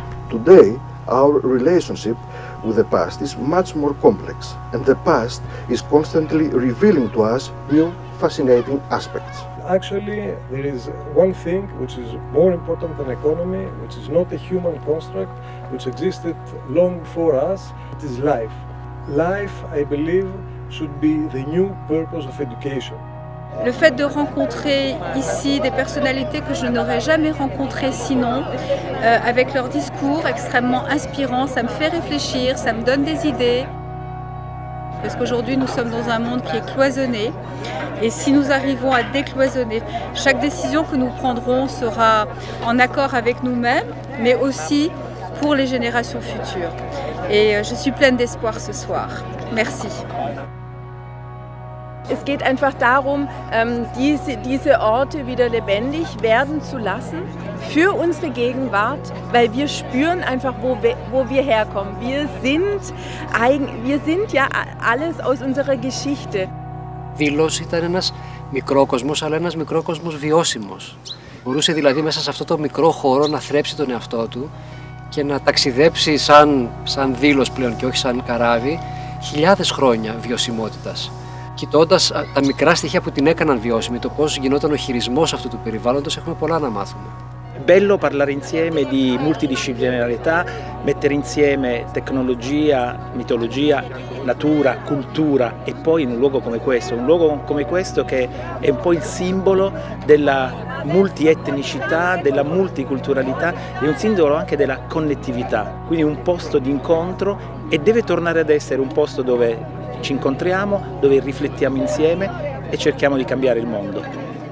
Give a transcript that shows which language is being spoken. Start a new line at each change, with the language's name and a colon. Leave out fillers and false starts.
English: Today, our relationship with the past is much more complex, and the past is constantly revealing to us new fascinating aspects. Actually, there is one thing which is more important than economy, which is not a human construct, which existed long before us. It is life. Life, I believe, should be the new purpose of education.
French: Le fait de rencontrer ici des personnalités que je n'aurais jamais rencontrées sinon, avec leur discours extrêmement inspirant, ça me fait réfléchir, ça me donne des idées. Parce qu'aujourd'hui, nous sommes dans un monde qui est cloisonné. Et si nous arrivons à décloisonner, chaque décision que nous prendrons sera en accord avec nous-mêmes, mais aussi pour les générations futures. Et je suis pleine d'espoir ce soir. Merci.
German: Es geht einfach darum, diese Orte wieder lebendig werden zu lassen für unsere Gegenwart, weil wir spüren einfach, wo wir herkommen. Wir sind ja alles aus unserer Geschichte.
Greek: Delos ήταν ένας μικρόκοσμος, αλλά ένας μικρόκοσμος βιώσιμος. Μπορούσε δηλαδή μέσα σε αυτό το μικρό χώρο να θρέψει τον εαυτό του και να ταξιδέψει σαν Δήλος πλέον και όχι σαν καράβι, χιλιάδες χρόνια βιωσιμότητας. Κοιτώντας τα μικρά στοιχεία που την έκαναν βιώσιμη, το πώς γινόταν ο χειρισμός αυτού του περιβάλλοντος, έχουμε πολλά να μάθουμε.
Italian: bello parlare insieme di multidisciplinarietà, mettere insieme tecnologia, mitologia, natura, cultura e poi in un luogo come questo che è un po' il simbolo della multietnicità, della multiculturalità e un simbolo anche della connettività, quindi un posto di incontro e deve tornare ad essere un posto dove ci incontriamo, dove riflettiamo insieme e cerchiamo di cambiare il mondo.